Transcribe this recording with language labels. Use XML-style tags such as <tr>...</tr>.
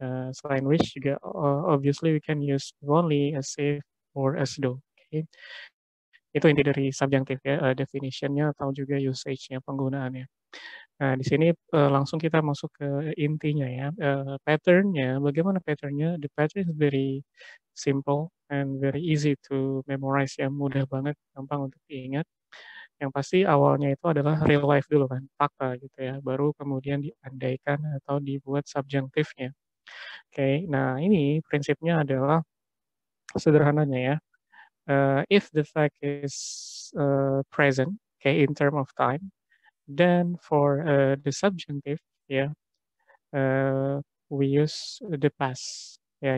<id>Selain</id> <en>wish juga obviously we can use only, as if, or as though. Okay.</en> <id>Itu inti dari subjunctive, ya, definitionnya atau juga usage-nya, penggunaannya. Nah, di sini langsung kita masuk ke intinya, ya. Pattern-nya, bagaimana pattern-nya?</id> <en>The pattern is very simple and very easy to memorize, ya.</en> <id>Mudah banget, gampang untuk diingat. Yang pasti awalnya itu adalah real life dulu, kan, fakta, gitu, ya. Baru kemudian diandaikan atau dibuat subjunctive-nya. Oke, nah ini prinsipnya adalah sederhananya, ya.</id> <en>If the fact is present, okay, in term of time, then for the subjunctive, ya, we use the past, ya.</en>